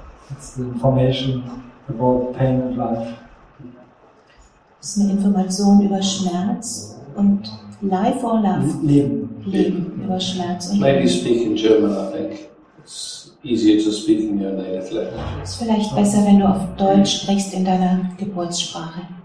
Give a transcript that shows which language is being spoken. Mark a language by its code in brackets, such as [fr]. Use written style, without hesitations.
[en] It's the information about pain and life. [de] Es ist eine Information über Schmerz und [en] life or love. [de] Leben. Über Schmerz und [en] Leben. Maybe speak in German, I think. It's easier to speak in your native language. [de] Es ist vielleicht besser, wenn du auf Deutsch sprichst in deiner Geburtssprache.